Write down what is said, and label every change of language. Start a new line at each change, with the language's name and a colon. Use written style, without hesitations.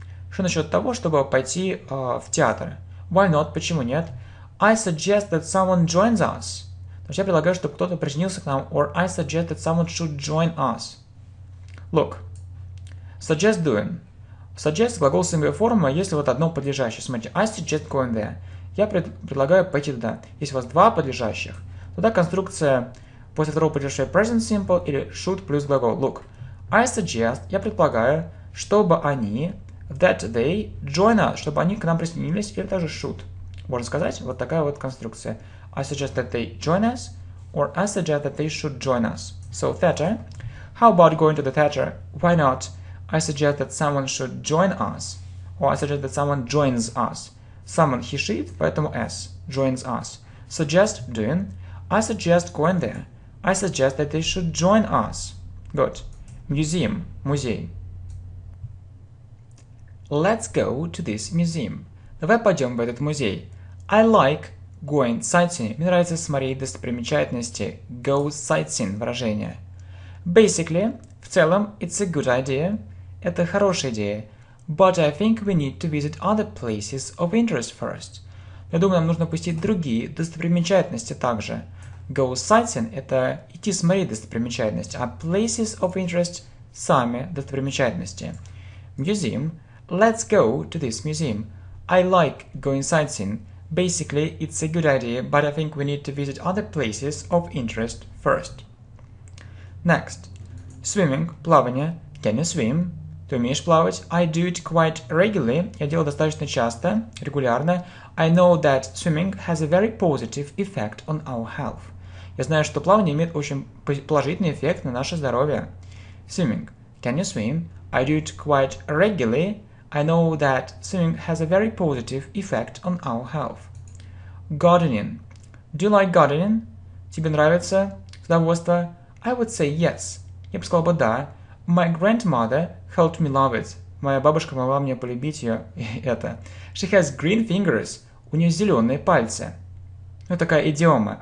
Russian: Что насчет того, чтобы пойти в театр?
English: Why not?
Russian: Почему нет?
English: I suggest that someone joins us.
Russian: То есть я предлагаю, чтобы кто-то присоединился к нам.
English: Or I suggest that someone should join us. Look. Suggest doing.
Russian: Suggest глагол singular форма, если вот одно подлежащее. Смотрите,
English: I suggest going there.
Russian: Я предлагаю пойти туда. Если у вас два подлежащих, тогда конструкция после второго подлежащего present simple или should плюс глагол.
English: Look, I suggest,
Russian: я предполагаю, чтобы они,
English: that they, join us,
Russian: чтобы они к нам присоединились, или даже should. Можно сказать, вот такая вот конструкция.
English: I suggest that they join us, or I suggest that they should join us. So, theater. How about going to the theater? Why not? I suggest that someone should join us. Or I suggest that someone joins us. Someone, he, she, поэтому s, joins us. Suggest, doing. I suggest going there. I suggest that they should join us. Good. Museum. Музей. Let's go to this museum.
Russian: Давай пойдем в этот музей.
English: I like going sightseeing.
Russian: Мне нравится смотреть достопримечательности.
English: Go sightseeing. Выражение. Basically,
Russian: в целом,
English: it's a good idea.
Russian: Это хорошая идея.
English: But I think we need to visit other places of interest first.
Russian: Я думаю, нам нужно посетить другие достопримечательности также. Go sightseeing – это идти смотреть достопримечательности, а places of interest – сами достопримечательности.
English: Museum – let's go to this museum. I like going sightseeing. Basically, it's a good idea, but I think we need to visit other places of interest first. Next. Swimming, плавание. Can you swim?
Russian: Ты умеешь плавать?
English: I do it quite regularly.
Russian: Я делаю достаточно часто, регулярно.
English: I know that swimming has a very positive effect on our health.
Russian: Я знаю, что плавание имеет очень положительный эффект на наше здоровье.
English: Swimming. Can you swim? I do it quite regularly. I know that swimming has a very positive effect on our health. Gardening. Do you like gardening?
Russian: Тебе нравится садоводство?
English: I would say yes.
Russian: Я бы сказал бы да.
English: My grandmother helped me love it.
Russian: Моя бабушка помогла мне полюбить ее это.
English: She has green fingers.
Russian: У нее зеленые пальцы. Ну, такая идиома.